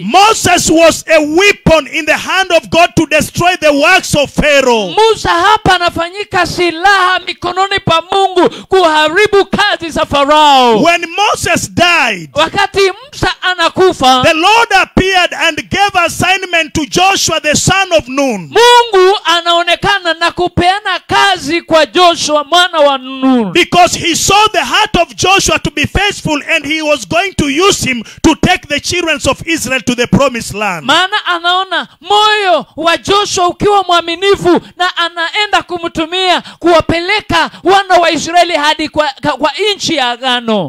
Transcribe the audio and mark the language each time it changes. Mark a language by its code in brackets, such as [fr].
[en] Moses was a weapon in the hand of God to destroy the works of Pharaoh. [sw] Musa hapa anafanyika silaha mikononi pa Mungu kuharibu kazi za Farao. [en] When Moses died. [sw] Wakati Musa anakufa. [en] The Lord appeared and gave assignment to Joshua the son of Nun. [sw] Mungu anaonekana na kupeana kazi kwa Joshua mwana wa Nun. [en] Because he saw the heart of Joshua to be faithful and he was going to use him to take the children of Israel to the promised land. [sw] Maana anaona moyo wa Joshua ukiwa mwaminifu na anaenda kumtumia kuwapeleka wana wa Israeli hadi kwa inchi ya agano.